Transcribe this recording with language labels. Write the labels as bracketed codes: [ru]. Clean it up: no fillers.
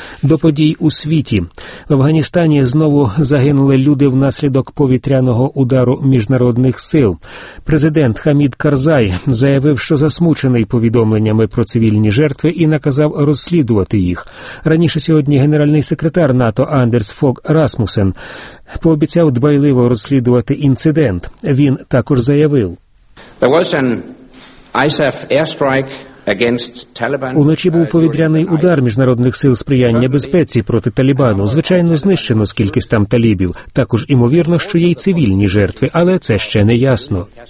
[uk] До подій у світі. В Афганістані знову загинули люди внаслідок повітряного удару міжнародних сил. Президент Хамід Карзай заявив, що засмучений повідомленнями про цивільні жертви і наказав розслідувати їх. Раніше сьогодні генеральний секретар НАТО Андерс Фог Расмусен пообіцяв дбайливо розслідувати інцидент. Він також заявив: [en] There was an ISAF airstrike against Taliban. [uk] Уночі був повітряний удар міжнародних сил сприяння безпеці проти Талібану. Звичайно, знищено скількись там талібів. Також імовірно, що є й цивільні жертви, але це ще не ясно.